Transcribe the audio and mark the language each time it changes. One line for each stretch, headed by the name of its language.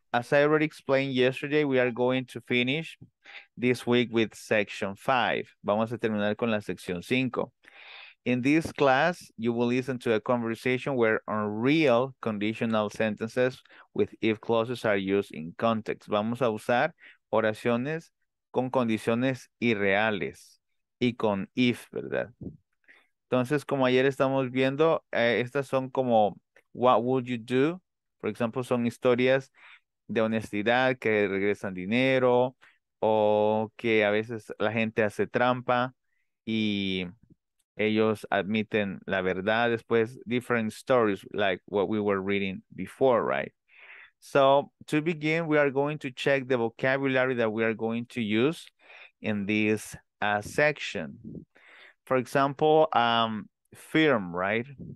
English: As I already explained yesterday, we are going to finish this week with section 5.
Spanish: Vamos a terminar con la sección 5.
English: In this class, you will listen to a conversation where unreal conditional sentences with if clauses are used in context.
Spanish: Vamos a usar oraciones con condiciones irreales y con if, ¿verdad? Entonces, como ayer estamos viendo, estas son como
English: what would you do For example,
Spanish: son historias de honestidad que regresan dinero o que a veces la gente hace trampa y ellos admiten la verdad.
English: Después, different stories like what we were reading before, right? So, to begin, we are going to check the vocabulary that we are going to use in this section. For example, firm, right?